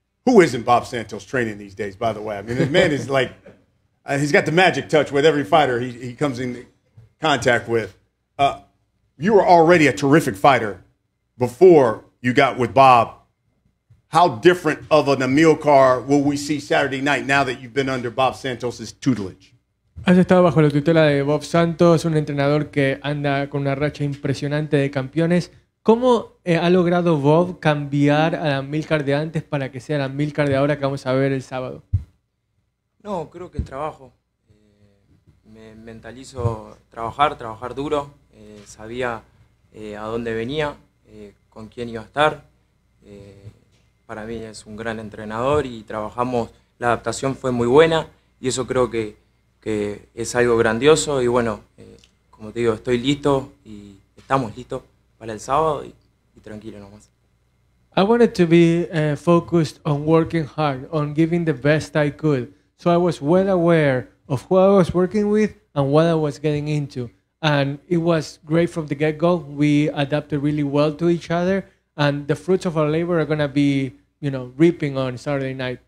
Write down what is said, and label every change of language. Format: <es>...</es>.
<en>Who isn't Bob Santos training these days, by the way? I mean, this man is like, he's got the magic touch with every fighter he comes in contact with. You were already a terrific fighter before you got with Bob. How different of an Amilcar will we see Saturday night now that you've been under Bob Santos's tutelage?</en> <es>Has estado bajo la tutela de Bob Santos, un entrenador que anda con una racha impresionante de campeones. ¿Cómo ha logrado Bob cambiar a la Amilcar de antes para que sea la Amilcar de ahora que vamos a ver el sábado? No, creo que trabajo. Me mentalizo trabajar duro. Sabía a dónde venía, con quién iba a estar. Para mí es un gran entrenador y trabajamos. La adaptación fue muy buena y eso creo que es algo grandioso. Y bueno, como te digo, estoy listo y estamos listos para el sábado y tranquilo nomás.</es> <en>I wanted to be focused on working hard, on giving the best I could. So I was well aware of who I was working with and what I was getting into. And it was great from the get-go. We adapted really well to each other. And the fruits of our labor are going to be, you know, reaping on Saturday night.</en>